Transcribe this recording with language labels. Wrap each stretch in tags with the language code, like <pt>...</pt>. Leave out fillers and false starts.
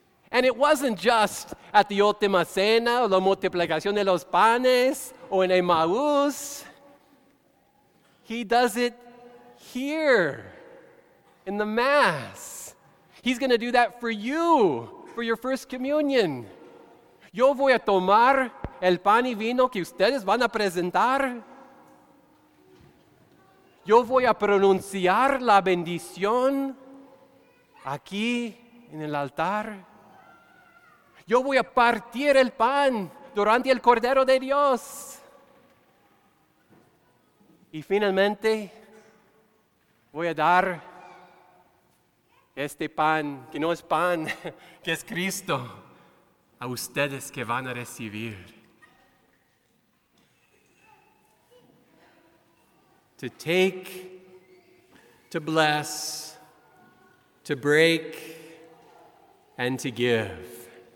<en>And it wasn't just at the</en> <es>última cena, la multiplicación de los panes, o en Emaús.</es> <en>He does it here in the Mass. He's going to do that for you, for your first communion.</en> <es>Yo voy a tomar el pan y vino que ustedes van a presentar. Yo voy a pronunciar la bendición aquí en el altar. Yo voy a partir el pan durante el Cordero de Dios. Y finalmente, voy a dar este pan, que no es pan, que es Cristo, a ustedes que van a recibir.</es> <en>To take, to bless, to break, and to give.</en>